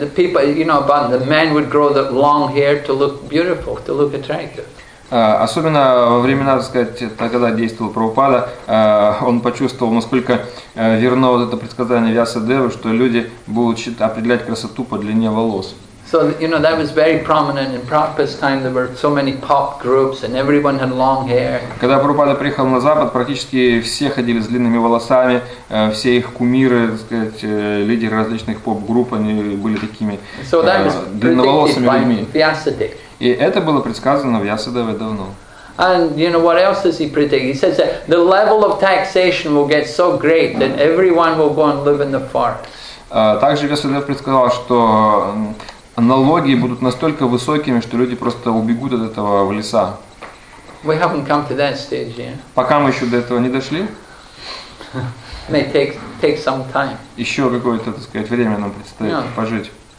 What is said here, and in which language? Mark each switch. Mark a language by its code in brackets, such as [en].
[en] The people, you know, about the men would grow the long hair to look beautiful, to look attractive. [ru] Особенно во времена, так сказать, тогда действовал Прабхупада, он почувствовал, насколько верно вот это предсказание Вьясадевы, что люди будут определять красоту по длине волос. [en] So, you know, that was very prominent in Prabhupada's time. There were so many pop groups, and everyone had long hair. [ru] Когда Прабхупада приехал на Запад, практически все ходили с длинными волосами. Все их кумиры, так сказать, лидеры различных поп-групп, они были такими длинноволосыми людьми. И это было предсказано Вьясадевой давно. [en] And you know what else is he predicting? He says that the level of taxation will get so great that everyone will go and live in the forest. [ru] Также Веселев предсказал, что налоги будут настолько высокими, что люди просто убегут от этого в леса. [en] We haven't come to that stage yet. [ru] Пока мы еще до этого не дошли. [en] May take some time. [ru] Еще какое-то, так сказать, время нам предстоит пожить.